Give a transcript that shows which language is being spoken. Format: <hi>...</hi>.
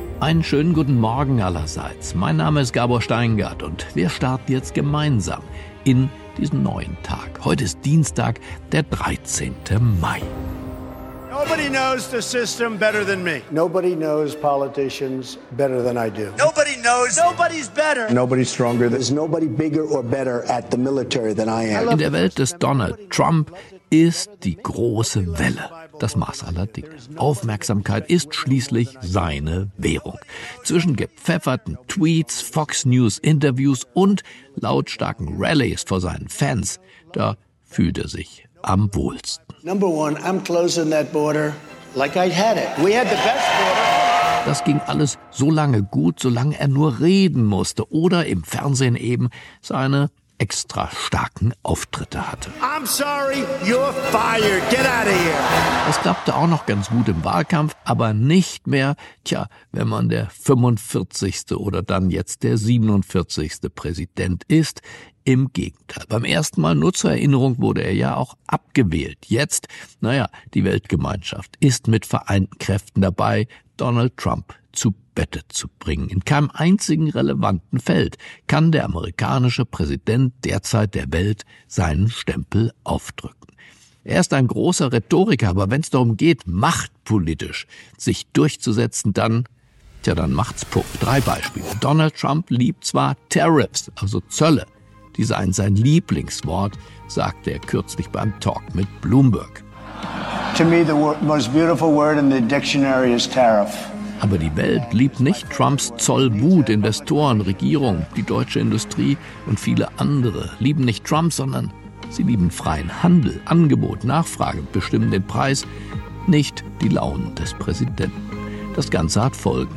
<de>Einen schönen guten Morgen allerseits. Mein Name ist Gabor Steingart und wir starten jetzt gemeinsam in diesen neuen Tag. Heute ist Dienstag, der 13. Mai.</de> <en>Nobody knows the system better than me. Nobody knows politicians better than I do. Nobody knows. Nobody's better. Nobody's stronger. There's nobody bigger or better at the military than I am.</en> <de>In der Welt des Donald Trump ist die große Welle das Maß aller Dinge. Aufmerksamkeit ist schließlich seine Währung. Zwischen gepfefferten Tweets, Fox News Interviews und lautstarken Rallies vor seinen Fans, da fühlt er sich am wohlsten.</de> <en>Number one, I'm closing that border like I had it. We had the best border.</en> <de>Das ging alles so lange gut, solange er nur reden musste oder im Fernsehen eben seine extra starken Auftritte hatte.</de> <en>I'm sorry, you're fired. Get out of here.</en> <de>Das klappte auch noch ganz gut im Wahlkampf, aber nicht mehr, tja, wenn man der 45. oder dann jetzt der 47. Präsident ist. Im Gegenteil. Beim ersten Mal, nur zur Erinnerung, wurde er ja auch abgewählt. Jetzt, naja, die Weltgemeinschaft ist mit vereinten Kräften dabei, Donald Trump zu Bette zu bringen. In keinem einzigen relevanten Feld kann der amerikanische Präsident derzeit der Welt seinen Stempel aufdrücken. Er ist ein großer Rhetoriker, aber wenn es darum geht, machtpolitisch sich durchzusetzen, dann, tja, dann macht's Puff. Drei Beispiele. Donald Trump liebt zwar Tariffs, also Zölle. Die seien sein Lieblingswort, sagte er kürzlich beim Talk mit Bloomberg.</de> <en>To me, the most beautiful word in the dictionary is tariff.</en> <de>Aber die Welt liebt nicht Trumps Zollwut, Investoren, Regierung, die deutsche Industrie und viele andere lieben nicht Trump, sondern sie lieben freien Handel, Angebot, Nachfrage, bestimmen den Preis, nicht die Launen des Präsidenten. Das Ganze hat Folgen.</de>